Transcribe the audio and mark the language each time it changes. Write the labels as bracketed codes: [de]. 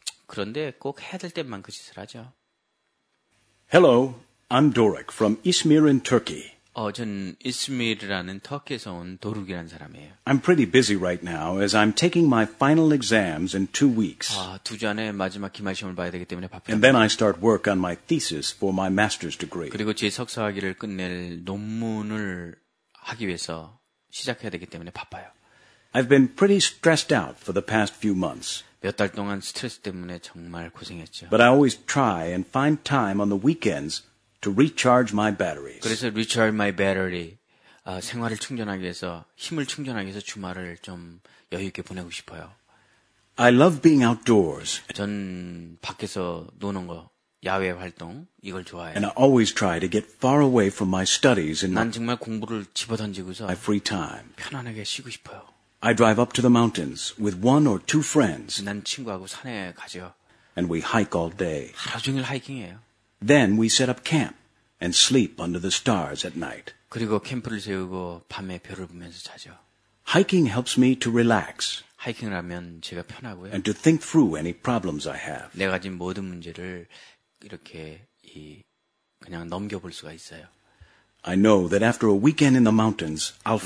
[ko] 그런데 꼭 해야 될 때만 그 짓을 하죠. [en] Hello, I'm Doruk from Izmir in Turkey. [ko] 전 이스미르라는 터키에서 온 도룩이라는 사람이에요. [en] I'm pretty busy right now as I'm taking my final exams in 2 weeks. [ko] 아, 두 주 안에 마지막 기말 시험을 봐야 되기 때문에 바쁘다. [en] And then I start work on my thesis for my master's degree. [ko] 그리고 제 석사 학위를 끝낼 논문을 하기 위해서 시작해야 되기 때문에 바빠요. [en] I've been pretty stressed out for the past few months. [ko] 몇 달 동안 스트레스 때문에 정말 고생했죠. [en] But I always try and find time on the weekends to recharge my batteries. [ko] 그래서 [en] recharge my battery, [ko] 생활을 충전하기 위해서, 힘을 충전하기 위해서 주말을 좀 여유 있게 보내고 싶어요. [en] I love being outdoors. [ko] 전 밖에서 노는 거, 야외 활동, 이걸 좋아해요. [en] And I always try to get far away from my studies and [ko] 난 정말 공부를 집어던지고서 [en] my free time. [ko] 편안하게 쉬고 싶어요. [en] I drive up to the mountains with one or two friends. [ko] 난 친구하고 산에 가죠. [en] And we hike all day. [ko] 하루 종일 하이킹해요. [en] Then we set up camp and sleep under the stars at night. [ko] 그리고 캠프를 세우고 밤에 별을 보면서 자죠. [en] Hiking helps me to relax. [ko] 하이킹을 하면 제가 편하고요. [en] And to think through any problems I have. [ko] 내가 가진 모든 문제를 이렇게 이 그냥 넘겨볼 수가 있어요. [en] I know that after a weekend in the mountains, I'll